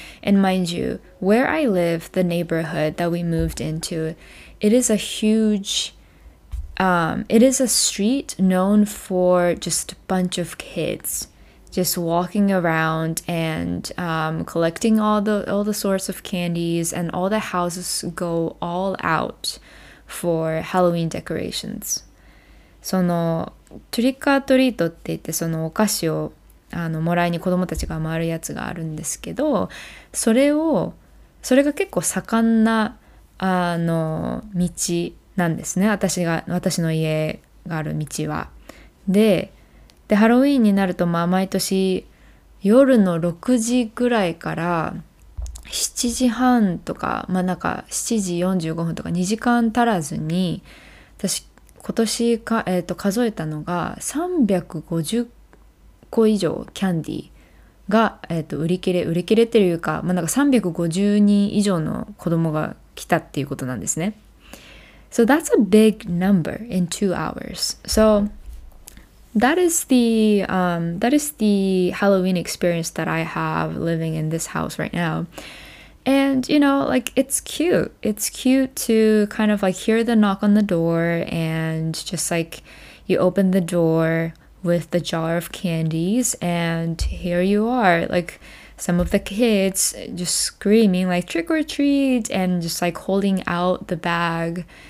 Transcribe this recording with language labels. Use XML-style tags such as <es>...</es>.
<en>And mind you, where I live, the neighborhood that we moved into, it is a hugeit is a street known for just a bunch of kids just walking around and collecting all the sorts of candies, and all the houses go all out for Halloween decorations.</en> <ja>そのトリックアトリートって言って、そのお菓子をもらいに子供たちが回るやつがあるんですけど、それが結構盛んな道なんですね。私の家がある道は。で、ハロウィーンになると、まあ毎年夜の6時ぐらいから7時半とか、まあなんか7時45分とか2時間足らずに、私今年か、数えたのが350個以上キャンディーが、売り切れっていうか、まあなんか350人以上の子供が来たっていうことなんですね。</ja> <en>So that's a big number in 2 hours. So that is the Halloween experience that I have living in this house right now. And you know, like it's cute. It's cute to kind of like hear the knock on the door, and just like you open the door with the jar of candies, and here you are, like some of the kids just screaming like trick or treat, and just like holding out the bag.</en>